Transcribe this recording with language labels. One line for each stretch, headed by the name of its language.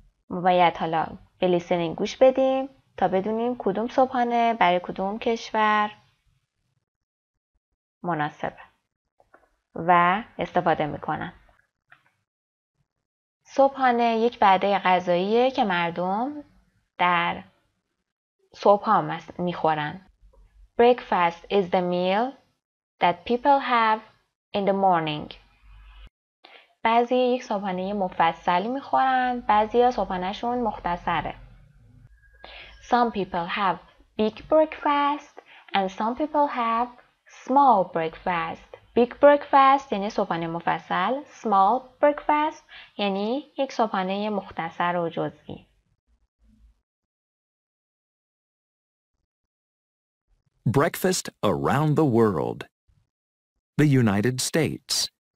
Persian: ما باید حالا به لیسنینگ گوش بدیم تا بدونیم کدوم صبحانه برای کدوم کشور مناسبه و استفاده میکنن. صبحانه یک وعده غذاییه که مردم در صبح ها میخورن.
English: Breakfast is the meal that people have in the morning.
Persian: بعضی یک صبحانه مفصلی میخورن، بعضی ها صبحانه شون مختصره.
English: Some people have big breakfast and some people have small breakfast.
Persian: Big breakfast یعنی صبحانه مفصل، small breakfast یعنی یک صبحانه مختصر و جزئی.
English: Breakfast around the world. The United States.